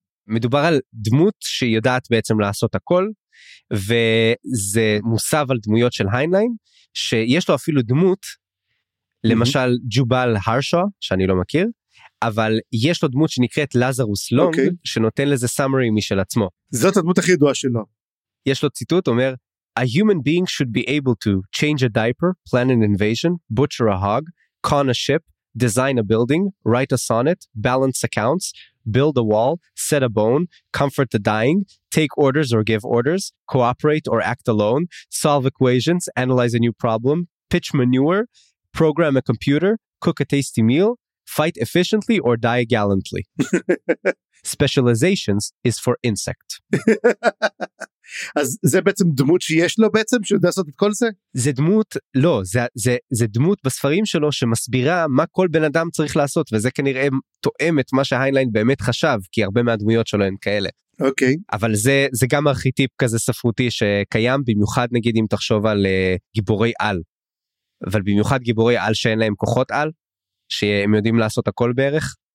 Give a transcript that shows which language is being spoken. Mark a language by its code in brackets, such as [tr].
[he] מדובר על דמות שיודעת בעצם לעשות הכל, וזה מוסב על דמויות של היינליין, שיש לו אפילו דמות, למשל ג'ובל הרשו, שאני לא מכיר, אבל יש לו דמות שנקראת לזרוס לונג, שנותן לזה סאמרי משל עצמו. זאת הדמות הכי ידועה שלו. יש לו ציטוט, אומר, [en] A human being should be able to change a diaper, plan an invasion, butcher a hog, con a ship, design a building, write a sonnet, balance accounts, build a wall, set a bone, comfort the dying, take orders or give orders, cooperate or act alone, solve equations, analyze a new problem, pitch manure, program a computer, cook a tasty meal, fight efficiently or die gallantly. Specializations is for insect. [he] אז זה בעצם דמות שיש לו בעצם, שיודע לעשות את כל זה? זה דמות, לא, זה דמות בספרים שלו, שמסבירה מה כל בן אדם צריך לעשות, וזה כנראה תואם את מה שההיינליין באמת חשב, כי הרבה מהדמויות שלו הן כאלה. אוקיי. אבל זה גם ארכיטיפ כזה ספרותי שקיים, במיוחד נגיד אם תחשוב על גיבורי על, אבל במיוחד גיבורי על שאין להם כוחות על, שהם יודעים לעשות הכל בערך.